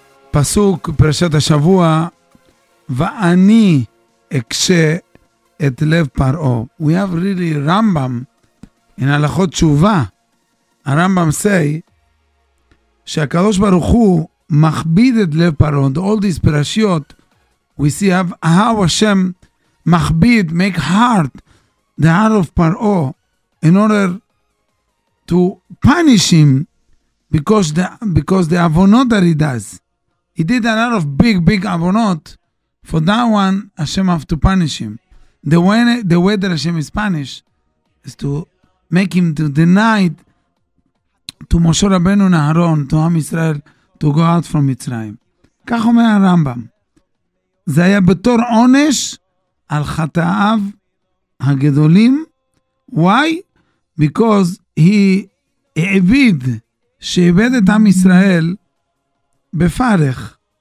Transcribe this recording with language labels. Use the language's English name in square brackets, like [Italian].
[Hebrew] פסוק, פרשת השבוע, ואני אקשה את לב פרעו. [English] We have really רמב״ם in [Hebrew] הלכות תשובה. הרמב״ם [English] say [Hebrew] שהקדוש ברוך הוא מכביד את לב פרעו. [English] And all these פרשיות, we see how Hashem מכביד, make hard the heart of פרעו in order to punish him because the avonot that he does. He did a lot of big avonot. For that one, Hashem have to punish him. The way that Hashem is punished is to make him to deny to Moshe Rabbeinu and Aaron, to Am Israel, to go out from Mitzrayim. [Hebrew] כך אומר הרמב״ם. זה היה בתור עונש על חטאיו הגדולים. [English] Why? Because he [Hebrew] עביד, שעבד את Am Israel בפרך.